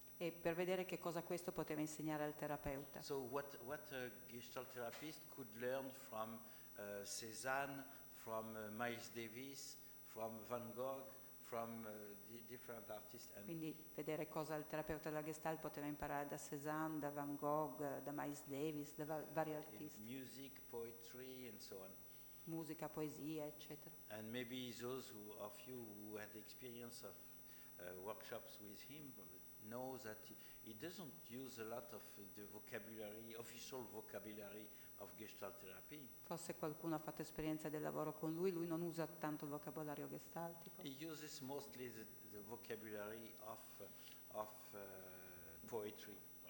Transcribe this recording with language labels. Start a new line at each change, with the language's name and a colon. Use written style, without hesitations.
Italian: E per vedere che cosa questo poteva insegnare al terapeuta.
English: So what a Gestalt therapist could learn from Cézanne, from Miles Davis, from Van Gogh, from different artists. And
Italian: quindi vedere cosa il terapeuta della Gestalt poteva imparare da Cézanne, da Van Gogh, da Miles Davis, da vari artisti.
English: Music, poetry, and so on.
Italian: musica, poesia, eccetera.
English: And maybe those who, of you who had experience of workshops with him know that he doesn't use a lot of the vocabulary, official vocabulary of Gestalt therapy.
Italian: Forse qualcuno ha fatto esperienza del lavoro con lui, lui non usa tanto il vocabolario gestaltico.
English: He uses mostly the vocabulary of poetry, for instance.